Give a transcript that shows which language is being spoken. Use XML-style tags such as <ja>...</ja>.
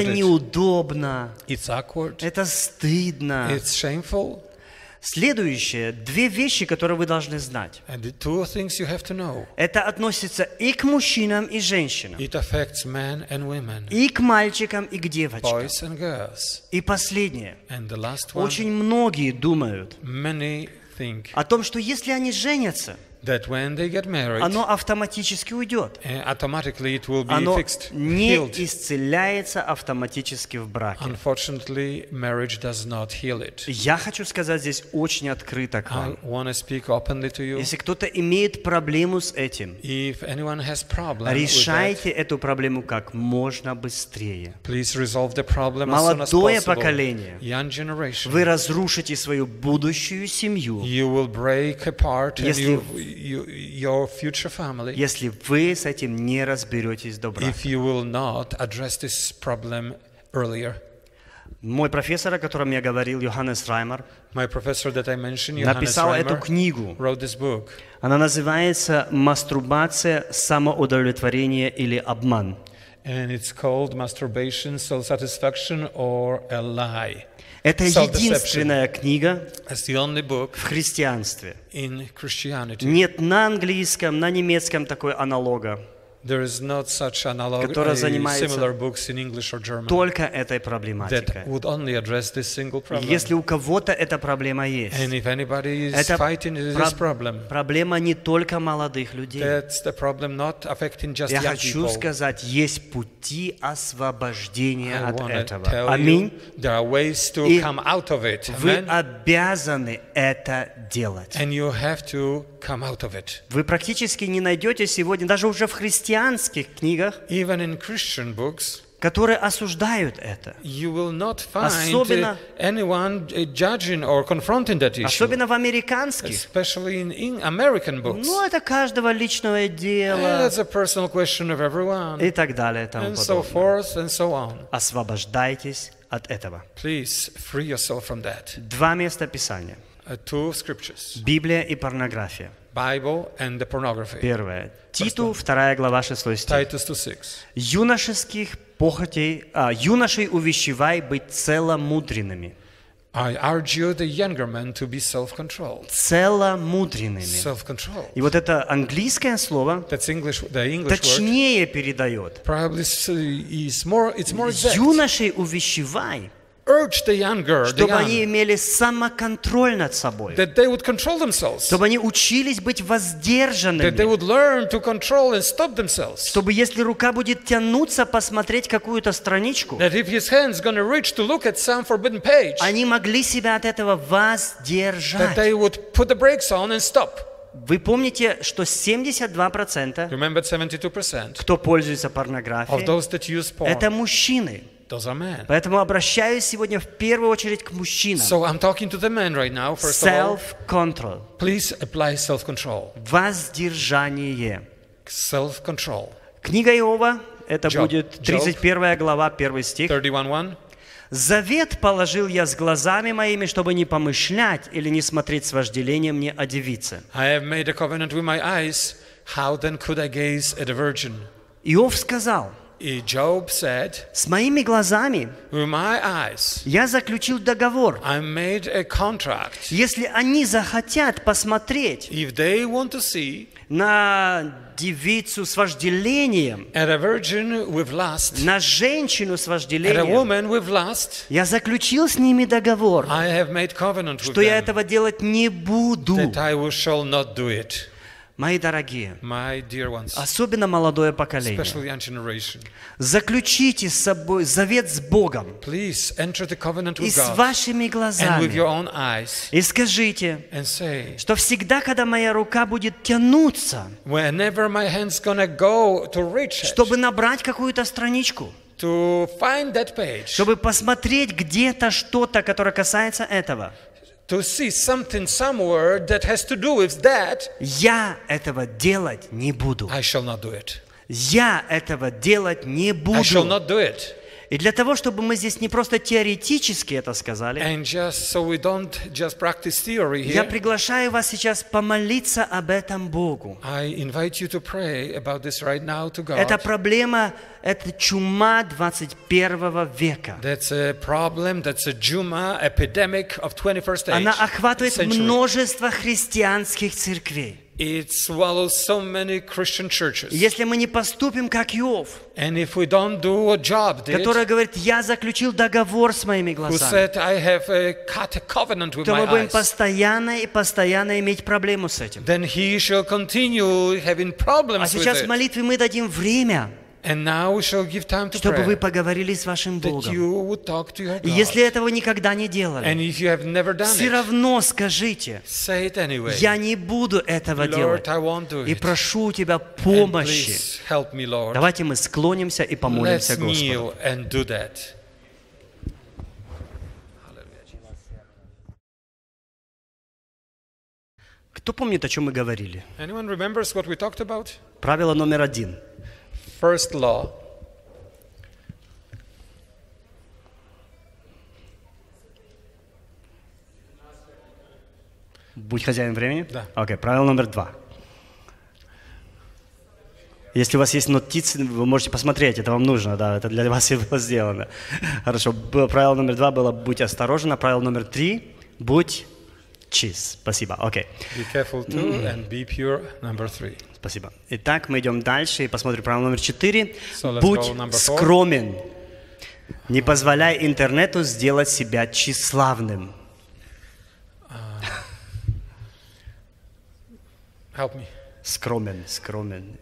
<ru>Это неудобно.</ru> <en>It's awkward.</en> <ru>Это стыдно.</ru> <en>It's shameful.</en> <ru>Следующее, две вещи, которые вы должны знать.</ru> <en>And the two things you have to know.</en> <ru>Это относится и к мужчинам, и женщинам.</ru> <en>It affects men and women.</en> <ru>И к мальчикам, и к девочкам.</ru> <en>Boys and girls.</en> <ru>И последнее.</ru> <en>And the last one.</en> <ru>Очень многие думают</ru> <en>many think</en> <ru>о том, что если они женятся,</ru> <en>that when they get married,</en> <ru>оно автоматически уйдет.</ru> <en>Automatically it will be</en> <ru>оно</ru> <en>fixed,</en> <ru>не</ru> <en>healed.</en> <ru>Исцеляется автоматически в браке.</ru> <en>Unfortunately, marriage does not heal it.</en> <ru>Я хочу сказать здесь очень открыто к вам.</ru> <en>I want to speak openly to you.</en> <ru>Если кто-то имеет проблему с этим,</ru> <en>if anyone has problem</en> <ru>решайте</ru> <en>with that,</en> <ru>эту проблему как можно быстрее.</ru> <en>Please resolve the problem</en> <ru>молодое</ru> <en>as soon as possible.</en> <ru>Поколение,</ru> <en>young generation,</en> <ru>вы разрушите свою будущую семью,</ru> <en>you will break apart</en> <ru>если</ru> <en>and you your future family,</en> <ru>если вы с этим не разберетесь до брака,</ru> <en>if you will not address this problem earlier,</en> <ru>мой профессор, о котором я говорил, Йоханнес Раймер,</ru> <en>my professor that I mentioned, Йоханнес</en> <ru>написал</ru> <en>Раймер,</en> <ru>эту книгу,</ru> <en>wrote this book.</en> <ru>Она называется «Мастурбация, самоудовлетворение или обман».</ru> <en>And it's called «Masturbation, self-satisfaction or a lie».</en> <ru>Это единственная книга</ru> <en>book</en> <ru>в христианстве.</ru> <en>In</en> <ru>нет на английском, на немецком такой аналога,</ru> <en>there is not such analog,</en> <ru>которая занимается</ru> <en>similar books in English or German,</en> <ru>только этой проблематикой.</ru> <en>That would only address this single problem.</en> <ru>Если у кого-то эта проблема есть,</ru> <en>and if anybody is</en> <ru>это</ru> <en>fighting this problem,</en> <ru>проблема не только молодых людей.</ru> <en>That's the problem not affecting just</en> <ru>я</ru> <en>young</en> <ru>хочу</ru> <en>people.</en> <ru>Сказать, есть пути освобождения</ru> <en>I</en> <ru>от этого.</ru> <en>Tell</en> <ru>аминь.</ru> <en>You, there are ways to</en> <ru>и</ru> <en>come out of it.</en> <ru>Вы обязаны это делать.</ru> <en>And you have to come out of it.</en> <ru>Вы практически не найдете сегодня, даже уже в христианских книгах,</ru> <en>even in Christian books,</en> <ru>которые осуждают это.</ru> <en>You will not find</en> <ru>особенно,</ru> <en>anyone judging or confronting that issue.</en> <ru>Особенно в американских.</ru> <en>Especially in American books.</en> <ru>Ну, это каждого личного дела.</ru> <en>That's a personal question of everyone.</en> <ru>И так далее, и тому</ru> <en>and</en> <ru>подобное.</ru> <en>So forth and so on.</en> <ru>Освобождайтесь от этого.</ru> <en>Please free yourself from that.</en> <ru>Два места Писания.</ru> <en>Two scriptures.</en> <ru>Библия и порнография.</ru> <en>Bible and the pornography.</en> <ru>Первое. Титу, 2 глава, 6 стих.</ru> <en>Titus 2:6.</en> <ru>Юношеских похотей, юношей увещевай быть целомудренными.</ru> <en>I urge you, the younger men, to be self-controlled.</en> <ru>Целомудренными.</ru> <en>Self-controlled.</en> <ru>И вот это английское слово</ru> <en>that's English, the English</en> <ru>точнее</ru> <en>word,</en> <ru>передает.</ru> <en>Probably is more, it's more exact.</en> <ru>Юношей увещевай.</ru> <en>Urge the younger,</en> <ru>чтобы</ru> <en>the young,</en> <ru>они имели самоконтроль над собой,</ru> <en>that they would control themselves,</en> <ru>чтобы они учились быть воздержанными,</ru> <en>that they would learn to control and stop themselves,</en> <ru>чтобы если рука будет тянуться посмотреть какую-то страничку,</ru> <en>that if his hand's gonna reach to look at some forbidden page,</en> <ru>они могли себя от этого воздержать,</ru> <en>that they would put the brakes on and stop.</en> <ru>Вы помните, что 72%,</ru> <en>remember 72%,</en> <ru>кто пользуется порнографией,</ru> <en>of those that use porn,</en> <ru>это мужчины.</ru> <en>Those are men.</en> <ru>Поэтому обращаюсь сегодня в первую очередь к мужчинам.</ru> <en>So I'm talking to the men right now, first self-control. Of all. Please apply self-control.</en> <ru>Воздержание.</ru> <en>Self-control.</en> <ru>Книга Иова, это Job. Будет 31 глава, 1 стих.</ru> <en>31:1.</en> <ru>Завет положил я с глазами моими, чтобы не помышлять или не смотреть с вожделением ни о девице.</ru> <en>I have made a covenant with my eyes. How then could I gaze at a virgin?</en> <ru>Иов сказал,</ru> <en>и Job said,</en> <ru>с моими глазами</ru> <en>with my eyes,</en> <ru>я заключил договор.</ru> <en>I made a contract.</en> <ru>Если они захотят посмотреть</ru> <en>if they want to see,</en> <ru>на девицу с вожделением,</ru> <en>at a virgin with lust,</en> <ru>на женщину с вожделением,</ru> <en>at a woman with lust,</en> <ru>я заключил с ними договор,</ru> <en>I have made covenant</en> <ru>что</ru> <en>with</en> <ru>я</ru> <en>them,</en> <ru>этого делать не буду.</ru> <en>That I shall not do it.</en> <ru>Мои дорогие,</ru> <en>my dear ones,</en> <ru>особенно молодое поколение,</ru> <en>especially young generation,</en> <ru>заключите с собой завет с Богом</ru> <en>please enter the covenant with</en> <ru>и</ru> <en>God,</en> <ru>с вашими глазами</ru> <en>and with your own eyes,</en> <ru>и скажите,</ru> <en>and say,</en> <ru>что всегда, когда моя рука будет тянуться,</ru> <en>whenever my hand's gonna go to reach it,</en> <ru>чтобы набрать какую-то страничку,</ru> <en>to find that page,</en> <ru>чтобы посмотреть где-то что-то, которое касается этого,</ru> <en>to see something somewhere that has to do with that.</en> <ru>Я этого делать не буду.</ru> <en>I shall not do it.</en> <ru>Я этого делать не буду.</ru> <en>I shall not do it.</en> <ru>И для того, чтобы мы здесь не просто теоретически это сказали, я приглашаю вас сейчас помолиться об этом Богу. Это проблема, это чума 21 века.</ru> <en>That's a problem, that's a juma, epidemic of 21st age.</en> <ru>Она охватывает множество христианских церквей.</ru> <en>It swallows so many Christian churches.</en> <ru>Если мы не поступим как Иов,</ru> <en>and if we don't do what Job did,</en> <ru>который говорит, я заключил договор с моими глазами,</ru> <en>who said I have cut a covenant with my eyes,</en> <ru>то мы будем постоянно и постоянно иметь проблему с этим.</ru> <en>Then he shall continue having problems with it.</en> <ru>А сейчас в молитве мы дадим время.</ru> <en>And now we shall give time to</en> <ru>чтобы</ru> <en>prayer,</en> <ru>вы поговорили с вашим Богом.</ru> <en>You would talk to your God.</en> <ru>И если этого никогда не делали,</ru> <en>and if you have never done</en> <ru>все равно скажите,</ru> <en>say it anyway.</en> <ru>Я не буду этого</ru> <en>Lord,</en> <ru>делать.</ru> <en>I won't do it.</en> <ru>И прошу у тебя помощи.</ru> <en>And please help me, Lord.</en> <ru>Давайте мы склонимся и помолимся</ru> <en>Let's</en> <ru>Господу.</ru> <en>Kneel and do that.</en> <ru>Кто помнит, о чем мы говорили?</ru> <en>Anyone remembers what we talked about?</en> <ru>Правило номер один.</ru> <en>First law.</en> <ru>Будь хозяином времени? Да. Окей, правило номер два. Если у вас есть нотицы, вы можете посмотреть, это вам нужно, да, это для вас и было сделано. Хорошо, правило номер два было «будь осторожен», а правило номер три «будь чист». Спасибо, окей.</ru> <en>Be careful too and be pure, number three.</en> <ru>Спасибо. Итак, мы идем дальше и посмотрим правило номер 4. Будь скромен. Не позволяй интернету сделать себя тщеславным.</ru> <en>Help me.</en> <ru>Скромен, скромен.</ru>